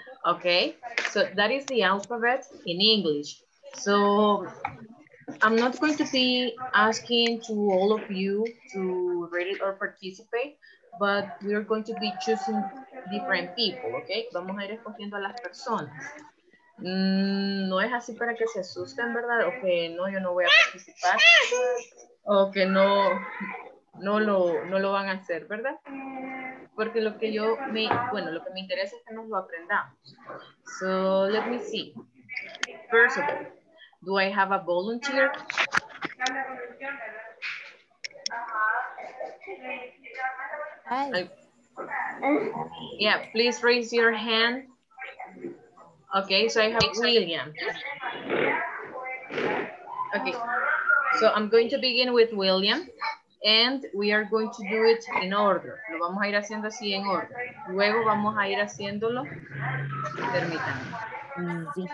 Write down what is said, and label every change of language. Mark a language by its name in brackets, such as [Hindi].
[English] Okay, so that is the alphabet in English. So I'm not going to be asking to all of you to read it or participate, but we're going to be choosing different people, okay? [Spanish] Vamos a ir escogiendo a las personas. No es así para que se asusten, ¿verdad? O que no, yo no voy a participar. O que no, no lo van a hacer, ¿verdad? Porque lo que yo, me, bueno, lo que me interesa es que nos lo aprendamos. [English] So, let me see. First of all, do I have a volunteer? Hi. Yeah, please raise your hand. Okay, so I have William. Okay, so I'm going to begin with William, and we are going to do it in order. [Spanish] Lo vamos a ir haciendo así en orden. Luego vamos a ir haciéndolo. Permítanme.